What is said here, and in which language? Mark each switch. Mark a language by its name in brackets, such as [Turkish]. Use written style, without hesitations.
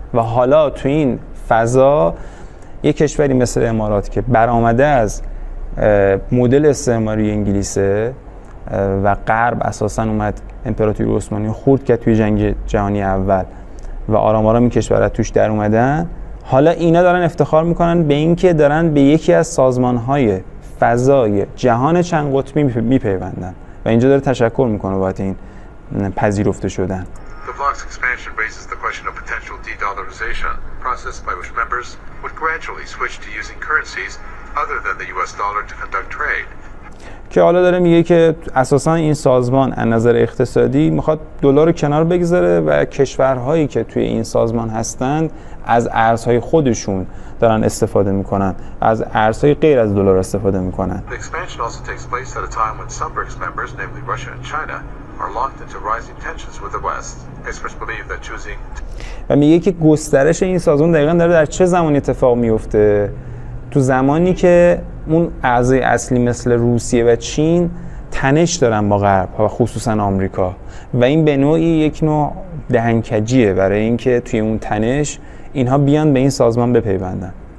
[Persian] و حالا تو این فضا یک کشوری مثل امارات که برآمده از مدل استعماری انگلیسه و غرب اساساً اومد امپراتوری عثمانی خورد که توی جنگ جهانی اول و آرام آرام این کشور از توش در اومدن، حالا اینا دارن افتخار میکنن به اینکه دارن به یکی از سازمانهای فضای جهان چند قطبی میپیوندن. و اینجا داره تشکر میکنه باید این پذیرفته شدن. [English] The bloc's expansion raises the question of potential de-dollarization, process by which members would gradually switch to using currencies other than the US dollar to conduct trade. [Persian] که حالا داره میگه که اساساً این سازمان از نظر اقتصادی میخواد دلار رو کنار بگذاره و کشورهایی که توی این سازمان هستند از ارزهای خودشون دارن استفاده میکنن، از ارزهای غیر از دلار استفاده میکنن. [English] The expansion also takes place at a time when some BRICS members, namely Russia and China, are locked into rising tensions with the West. Experts believe that choosing [Persian] و میگه که گسترش این سازمان دقیقاً داره در چه زمانی اتفاق میفته؟ تو زمانی که اون اعضای اصلی مثل روسیه و چین تنش دارن با غرب و خصوصا آمریکا، و این به نوعی یک نوع دهنکجیه برای اینکه توی اون تنش اینها بیان به این سازمان بپیوندن.